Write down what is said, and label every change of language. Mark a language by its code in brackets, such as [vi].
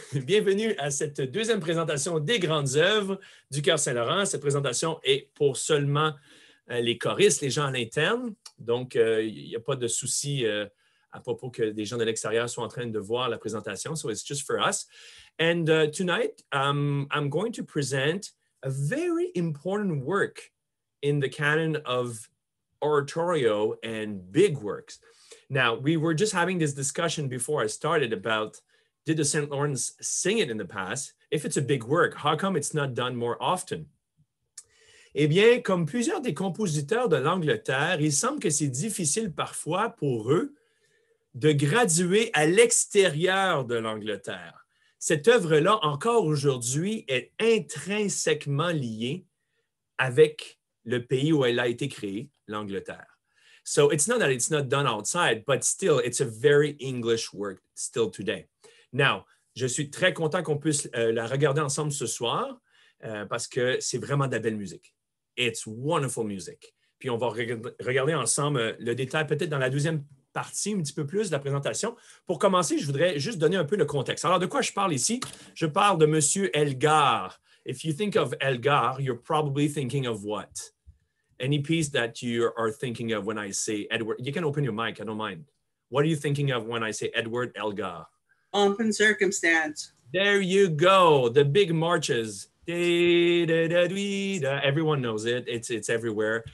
[fr] Bienvenue à cette deuxième présentation des grandes œuvres du Chœur Saint-Laurent. Cette présentation est pour seulement les choristes, les gens à l'interne. Donc, il n'y a pas de souci à propos que des gens de l'extérieur soient en train de voir la présentation. [en] So, it's just for us. And tonight, I'm going to present a very important work in the canon of oratorio and big works. Now, we were just having this discussion before I started about, did the St. Lawrence sing it in the past? If it's a big work, how come it's not done more often? [fr] Eh bien, comme plusieurs des compositeurs de l'Angleterre, il semble que c'est difficile parfois pour eux de graduer à l'extérieur de l'Angleterre. Cette œuvre-là, encore aujourd'hui, est intrinsèquement liée avec le pays où elle a été créée, l'Angleterre. [en] So it's not that it's not done outside, but still, it's a very English work still today. [fr] Now, je suis très content qu'on puisse la regarder ensemble ce soir, parce que c'est vraiment de la belle musique. [en] It's wonderful music. [fr] Puis on va regarder ensemble le détail peut-être dans la deuxième partie, un petit peu plus de la présentation. Pour commencer, je voudrais juste donner un peu le contexte. Alors, de quoi je parle ici? Je parle de Monsieur Elgar. [en] If you think of Elgar, you're probably thinking of what? Any piece that you are thinking of when I say Edward, you can open your mic, I don't mind. What are you thinking of when I say Edward Elgar? Pomp and Circumstance. There you go, the big marches. Everyone knows it, it's everywhere.